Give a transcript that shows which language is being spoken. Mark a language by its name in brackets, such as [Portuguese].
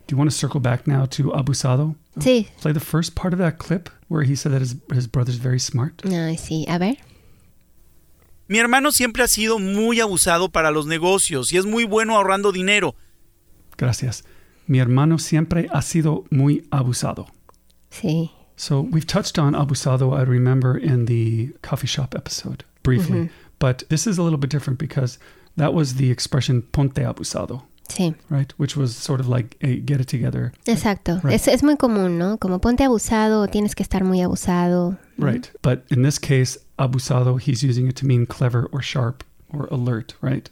[English] Do you want to circle back now to abusado? [Spanish] Sí. [English] Play the first part of that clip where he said that his brother's very smart. [Spanish] Ay, sí. A ver. Mi hermano siempre ha sido muy abusado para los negocios y es muy bueno ahorrando dinero. Gracias. Mi hermano siempre ha sido muy abusado. Sí. [English] So we've touched on abusado, I remember, in the coffee shop episode briefly. Mm-hmm. But this is a little bit different because that was the expression [Spanish] ponte abusado. Sí. [English] Right? Which was sort of like a get it together. [Spanish] Exacto. Right. Es muy común, ¿no? Como ponte abusado, tienes que estar muy abusado. [English] Right. Mm-hmm. But in this case, abusado, he's using it to mean clever or sharp or alert, right?